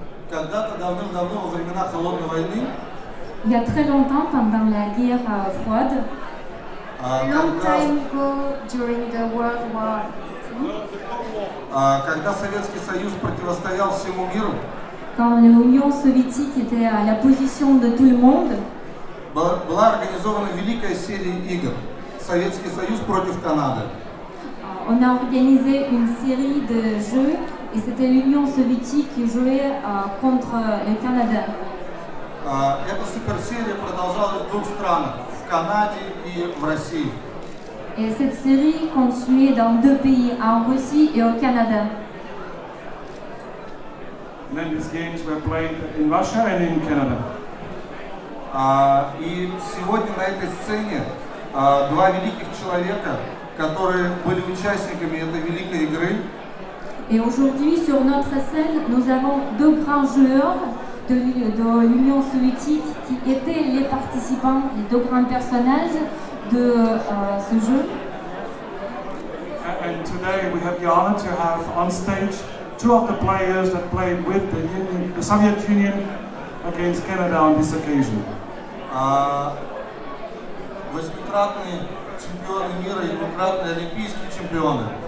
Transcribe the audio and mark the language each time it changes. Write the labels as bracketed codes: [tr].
[ru] Когда-то давным-давно во времена холодной войны. [fr] Il y a très longtemps pendant la guerre froide. [en] Long time ago during the World War. [ru] Когда Советский Союз противостоял всему миру. [fr] Quand l'Union soviétique était à la position de tout le monde. [ru] Была организована великая серия игр. Советский Союз против Канады. [fr] On a organisé une série de jeux. Et c'était l'Union soviétique qui jouait contre le Canada. Cette super-série [ru] продолжалась в двух странах, в Канаде и в России. [fr] Et cette série continuait dans deux pays, en Russie et au Canada. [en] Then these games were played in Russia and in Canada. [ru] И сегодня на этой сцене два великих человека, которые были участниками этой великой игры. [fr] Et aujourd'hui, sur notre scène, nous avons deux grands joueurs de l'Union soviétique qui étaient les participants, les deux grands personnages de ce jeu. [en] And today, we have the honor to have on stage two of the players that played with the Soviet Union against Canada on this occasion. [ru] Восьмикратные чемпионы мира и двукратные олимпийские чемпионы.